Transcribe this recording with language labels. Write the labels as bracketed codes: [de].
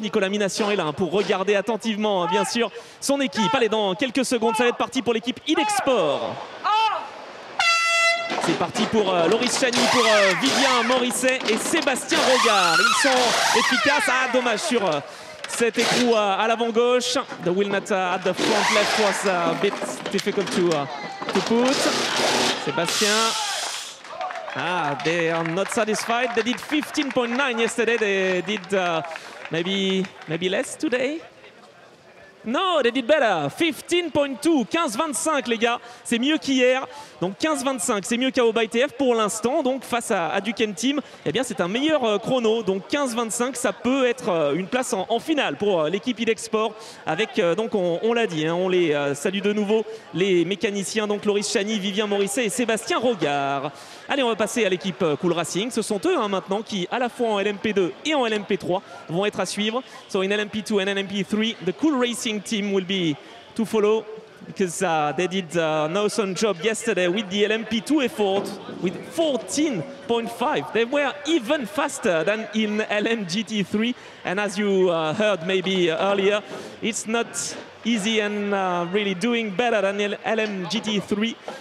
[fr] Nicolas Minassian est là pour regarder attentivement, bien sûr, son équipe. Allez, dans quelques secondes, ça va être parti pour l'équipe Idexport. C'est parti pour Loris Chani, pour Vivien Morisset et Sébastien Rogard. Ils sont efficaces. Ah, dommage sur cet écrou à l'avant-gauche. [en] The wheel nut at the front left was a bit difficult to put. Sébastien. Ah, they are not satisfied. They did 15.9 yesterday. They did maybe less today. No, they did better. [fr] 15.2, 15.25, les gars. C'est mieux qu'hier. Donc 15.25, c'est mieux qu'AO by TF pour l'instant. Donc face à Duken Team, eh bien, c'est un meilleur chrono. Donc 15.25, ça peut être une place en finale pour l'équipe Idexport. Avec, donc, on l'a dit, hein, on les salue de nouveau, les mécaniciens, donc Loris Chani, Vivien Morisset et Sébastien Rogard. Allez, on va passer à l'équipe Cool Racing. Ce sont eux, hein, maintenant, qui, à la fois en LMP2 et en LMP3, vont être à suivre. [en] So in LMP2 and LMP3, the Cool Racing team will be to follow, because they did an awesome job yesterday with the LMP2 effort with 14.5. They were even faster than in LMGT3. And as you heard maybe earlier, it's not easy and really doing better than LMGT3.